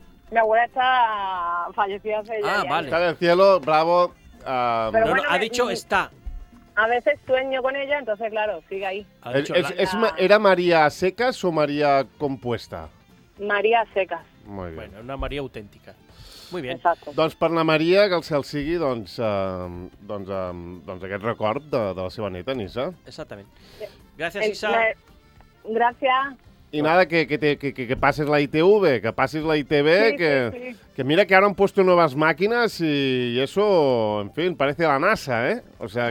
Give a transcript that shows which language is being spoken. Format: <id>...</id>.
<es>Mi abuela está fallecida hace ya. Ah, vale. Está del cielo, bravo. Pero bueno, ha dicho está. A veces sueño con ella, entonces, claro, sigue ahí. ¿Era María a secas o María compuesta? María a secas. Muy bien. Bueno, una María auténtica. Muy bien. Exacto.</es> <ca>Doncs per la Maria, que el cel sigui, doncs, doncs aquest record de la seva neta, Nisa. Exactament. Gràcies, Isa. Gràcies. I</ca> <es>nada,</es> <ca>que passes la ITV, que passis la ITV, que mira que ara</ca> <es>han puesto</es> <ca>noves màquines i</ca> <es>eso, en fin, parece la NASA, ¿eh? O sea,</es>